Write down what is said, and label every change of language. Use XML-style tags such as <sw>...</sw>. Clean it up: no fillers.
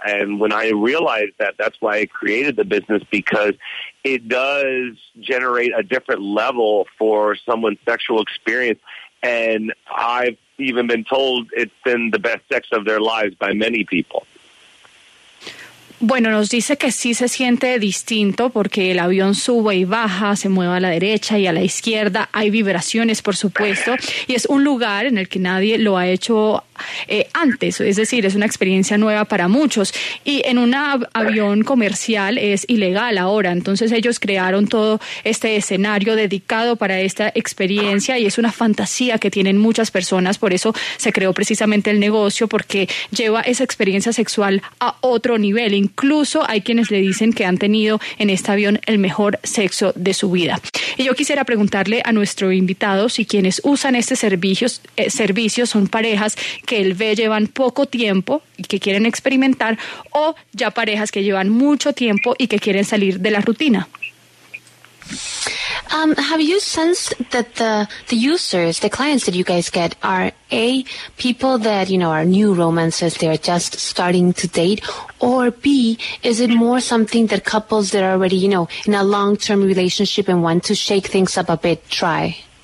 <en>And when I realized that, that's why I created the business, because it does generate a different level for someone's sexual experience. And I've even been told it's been the best sex of their lives by many people.</en> <es>Bueno, nos dice que sí se siente distinto porque el avión sube y baja, se mueve a la derecha y a la izquierda. Hay vibraciones, por supuesto, y es un lugar en el que nadie lo ha hecho antes. Es decir, es una experiencia nueva para muchos. Y en un avión comercial es ilegal ahora. Entonces ellos crearon todo este escenario dedicado para esta experiencia y es una fantasía que tienen muchas personas. Por eso se creó precisamente el negocio, porque lleva esa experiencia sexual a otro nivel. Incluso hay quienes le dicen que han tenido en este avión el mejor sexo de su vida. Y yo quisiera preguntarle a nuestro invitado si quienes usan este servicio son parejas que el B llevan poco tiempo y que quieren experimentar, o ya parejas que llevan mucho tiempo y que quieren salir de la rutina.</es> <en>Have you sensed that the users, the clients that you guys get, are A, people that, you know, are new romances, they're just starting to date, or B, is it more something that couples that are already, you know, in a long-term relationship and want to shake things up a bit, try?</en>